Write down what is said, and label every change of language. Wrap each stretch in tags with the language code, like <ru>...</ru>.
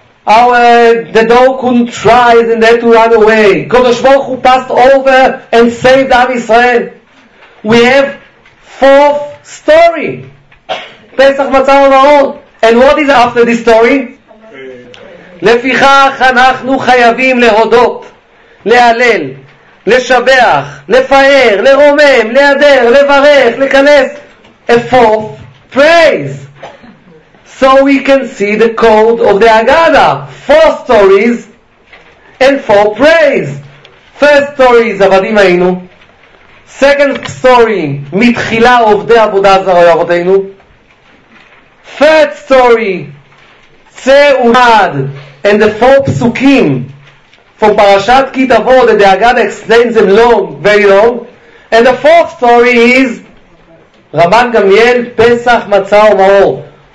<en>The dough couldn't rise and they had to run away. Kodosh Baruch Hu passed over and saved Am Yisrael. We have fourth story. Pesach, matzah u'maror. And what is after this story?</en> <he>לפיכך אנחנו חייבים להודות, להלל, לשבח, לפאר, לרומם, להדר, לברך, לכנס.</he> <en>A fourth praise. So we can see the code of the Agada. Four stories and four praise. First story is עבדים היינו. Second story,</en> <he>מתחילה עובדי עבודה זרה אבותינו.</he> <en>Third story, צעוד. And the four psukim from Parashat Ki Tavoh, that the Agada explains them long, very long. And the fourth story is Rabban Gamliel, Pesach, Matzah, Maor.</en>